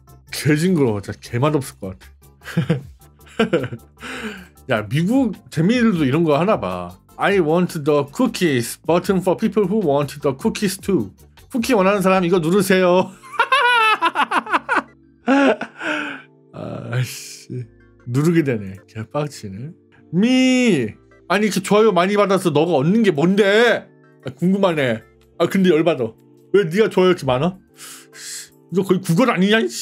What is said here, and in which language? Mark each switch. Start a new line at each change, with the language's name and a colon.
Korean: 개 징그러워. 진짜 개맛 없을 것 같아. 야 미국 재미들도 이런 거 하나 봐.
English: I want the cookies. Button for people who want the cookies too.
Korean: 쿠키 원하는 사람 이거 누르세요. 아씨 누르게 되네. 개빡치네. 미 아니 그 좋아요 많이 받아서 너가 얻는 게 뭔데? 아, 궁금하네. 아 근데 열받아. 왜 네가 좋아요 이렇게 많아? 이거 거의 구걸 아니냐?